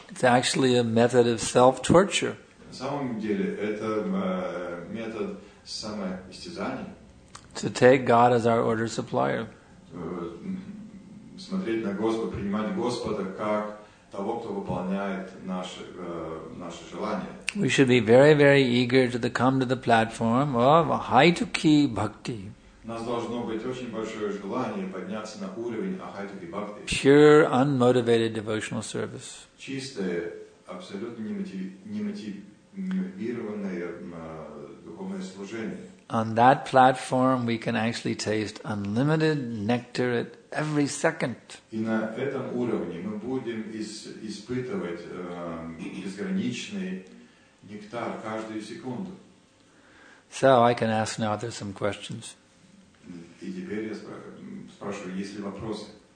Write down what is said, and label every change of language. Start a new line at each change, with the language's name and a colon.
English: It's actually a method of self-torture.
Russian: На самом деле, это метод самоистязания.
English: To take God as our order supplier.
Russian: Смотреть на Господа, принимать Господа как того, кто выполняет наши желания.
English: We should be very, very eager to come to the platform of Ahaituki Bhakti.
Russian: У нас должно быть очень большое желание подняться на уровень Ахайтуки Бхакти.
English: Pure, unmotivated devotional service.
Russian: Чистое, абсолютно немотивированное духовное служение.
English: On that platform we can actually taste unlimited nectar at every second.
Russian: И на этом уровне мы будем испытывать безграничный нектар каждую секунду.
English: So I can ask now, are there some questions?
Russian: И теперь я спрашиваю, есть ли вопросы?